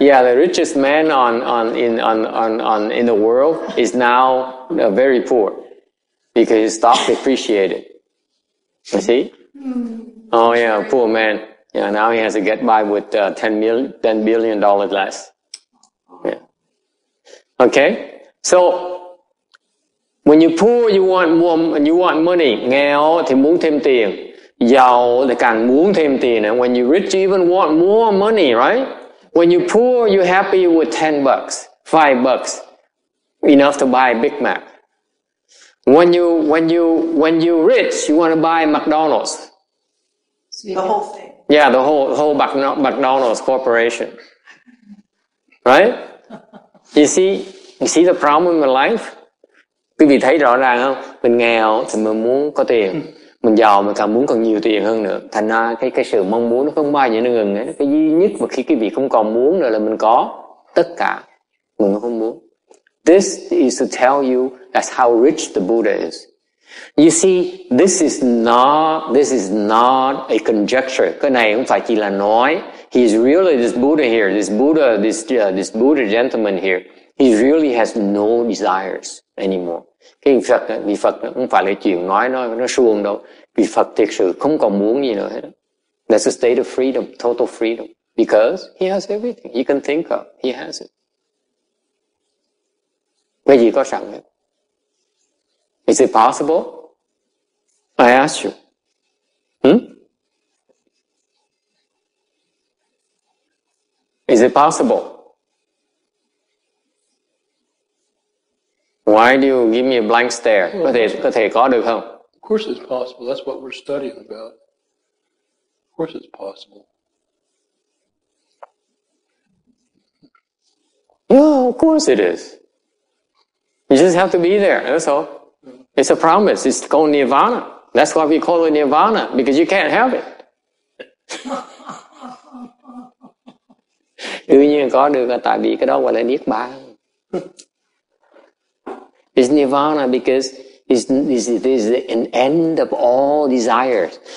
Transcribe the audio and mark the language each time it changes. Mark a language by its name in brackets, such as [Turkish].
[English] Yeah, the richest man in the world is now very poor because his stock appreciated. You see? Oh yeah, poor man. Yeah, now he has to get by with $10 billion less. Yeah. Okay. So when you're poor, you want more and you want money. [Vietnamese] Nghèo thì muốn thêm tiền. Giàu thì càng muốn thêm tiền. [English] And when you're rich, you even want more money, right? When you're poor, you're happy with $10, $5, enough to buy a Big Mac. When you're rich, you want to buy McDonald's. The whole thing. Yeah, the whole McDonald's corporation. Right? You see the problem in life? [Vietnamese] Quý vị thấy rõ ràng không? Mình nghèo thì mình muốn có tiền. Mình giàu mình càng muốn còn nhiều tiền hơn nữa. Thành ra cái sự mong muốn nó không bao giờ nó ngừng ấy. Cái duy nhất mà khi quý vị không còn muốn nữa là mình có tất cả. Mình không muốn. [English] This is to tell you that's how rich the Buddha is. You see, this is not a conjecture. [Vietnamese] Cái này không phải chỉ là nói. [English] He's really this Buddha here. This Buddha gentleman here. He really has no desires anymore. [Vietnamese] Cái Phật, vị Phật không phải là chuyện nói nó suông đâu. Vị Phật thực sự không còn muốn gì nữa hết. [English] That's a state of freedom, total freedom. Because he has everything he can think of. He has it. [Vietnamese] Cái gì có sẵn hết. [English] Is it possible? I ask you. Is it possible? Why do you give me a blank stare? [Vietnamese] Well, có thể có được không? [English] Of course it's possible. That's what we're studying about. Of course it's possible. Yeah, of course it is. You just have to be there, that's all. It's a promise, it's called nirvana. That's why we call it nirvana, because you can't have it. [Vietnamese] Đương nhiên có được là tại vì cái đó gọi là niết bàn. [English] It's nirvana because it is an end of all desires.